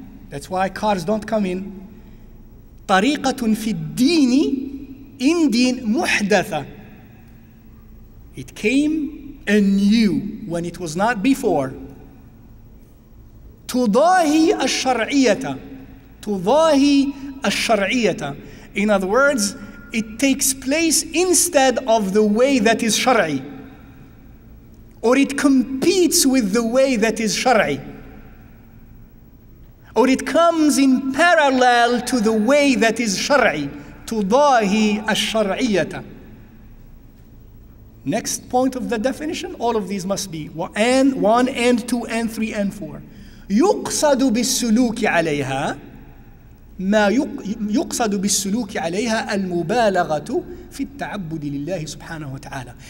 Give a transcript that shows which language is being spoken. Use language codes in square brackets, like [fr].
[en] That's why cars don't come in. [ar] طريقة في الدين, [en] in deen, [ar] محدثة. [en] It came anew when it was not before. [ar] تضاهي الشرعية. تضاهي الشرعية. [en] In other words, it takes place instead of the way that is shar'i, or it competes with the way that is shar'i, or it comes in parallel to the way that is shar'i. [ar] Tudahi ash-shar'iyyata. [en] Next point of the definition, all of these must be and 1 and 2 and 3 and 4. [ar] Yuqsadu bis-suluki 'alayha ما يقصد بالسلوك عليها المبالغة في التعبد لله سبحانه وتعالى.